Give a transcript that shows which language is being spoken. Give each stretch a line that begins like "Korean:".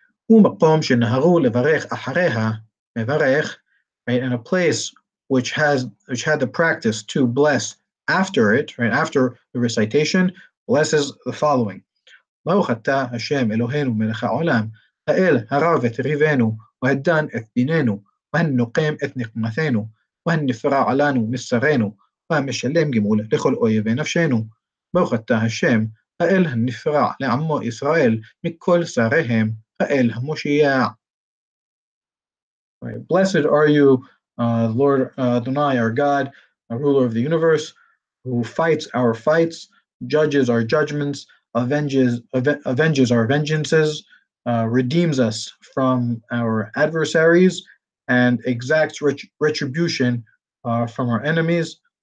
Hebrew: ומקום שנהרו לברך אחריה מברך,
English: right? And a place which had the practice to bless after it, right? After the recitation, blesses the following.
Hebrew: ברוך אתה השם אלוהינו מלך העולם, האל הרב את ריבנו, והדן את דיננו, והנוקם את נקמתנו, והנפרע עלינו מסרנו, והמשלם גמול לכל אויבי נפשנו. ברוך אתה השם, האל הנפרע לעמו ישראל מכל שריהם, האל המושיע.
English: Right. Blessed are you, Lord Adonai, our God, our ruler of the universe, who fights our fights, judges our judgments, avenges our vengeances, redeems us from our adversaries, and exacts retribution from our enemies.